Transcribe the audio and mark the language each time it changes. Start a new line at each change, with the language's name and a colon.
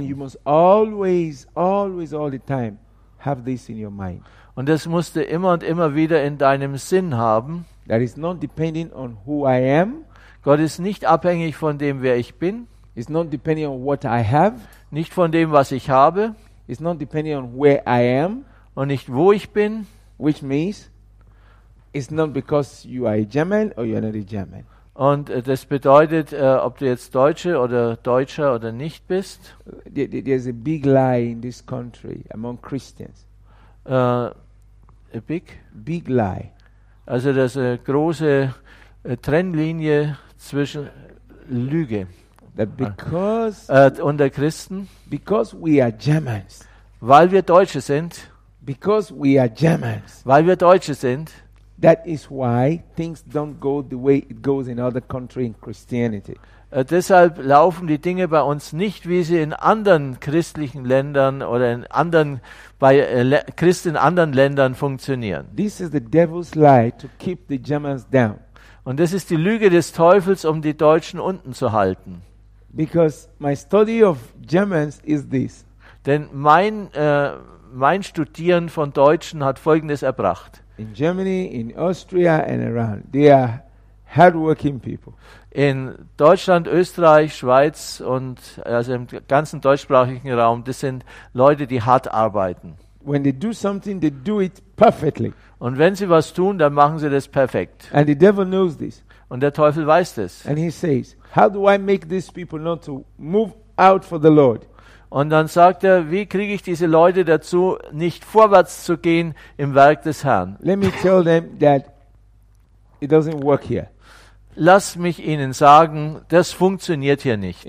English: And you must always, always, all the time have this in your mind.
German: Und das musst du immer und immer wieder in deinem Sinn haben.
English: That is not depending on who I am.
German: Gott ist nicht abhängig von dem, wer ich bin.
English: It's not depending on what I have.
German: Nicht von dem, was ich habe.
English: It's not depending on where I am.
German: Und nicht wo ich bin.
English: Which means it's not because you are a German or you are not a German.
German: Und das bedeutet, ob du jetzt Deutsche oder Deutscher oder nicht bist.
English: There's a big lie in this country among Christians. A big lie.
German: Also das ist eine große Trennlinie zwischen Lüge.
English: That because
German: unter Christen.
English: Because we are Germans.
German: Weil wir Deutsche sind.
English: Because we are Germans.
German: Weil wir Deutsche sind.
English: That is why things don't go the way it goes in other countries in Christianity.
German: Deshalb laufen die Dinge bei uns nicht, wie sie in anderen christlichen Ländern oder in anderen bei Christen in anderen Ländern funktionieren.
English: This is the devil's lie to keep the Germans down.
German: Und das ist die Lüge des Teufels, um die Deutschen unten zu halten.
English: Because my study of Germans is this.
German: Denn mein Studieren von Deutschen hat Folgendes erbracht.
English: In Germany, in Austria and around, they are hardworking people.
German: In Deutschland, Österreich, Schweiz und also im ganzen deutschsprachigen Raum, das sind Leute, die hart arbeiten.
English: When they do something, they do it perfectly.
German: Und wenn sie was tun, dann machen sie das perfekt.
English: And the devil knows this.
German: Und der Teufel weiß das.
English: And he says, how do I make these people not to move out for the Lord?
German: Und dann sagt er, wie kriege ich diese Leute dazu, nicht vorwärts zu gehen im Werk des Herrn?
English: Let me tell them that it doesn't work here.
German: Lass mich ihnen sagen, das funktioniert hier nicht.